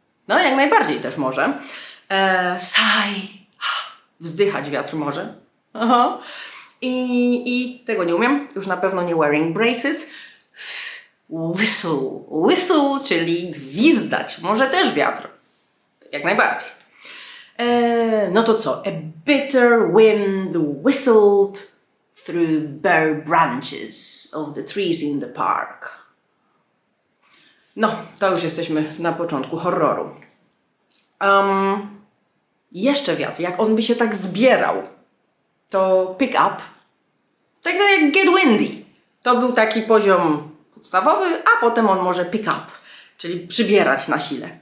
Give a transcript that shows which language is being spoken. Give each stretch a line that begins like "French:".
Polish: No jak najbardziej też może. Sigh, wzdychać wiatr może. Aha. I tego nie umiem, już na pewno nie
English: wearing braces.
Polish: Whistle, czyli gwizdać, może też wiatr, jak najbardziej. No to co?
English: A bitter wind whistled through bare branches of the trees in the park.
Polish: No, to już jesteśmy na początku horroru. Jeszcze wiatr, jak on by się tak zbierał, to
English: pick up,
Polish: tak jak
English: get windy,
Polish: to był taki poziom podstawowy, a potem on może pick up, czyli przybierać na sile.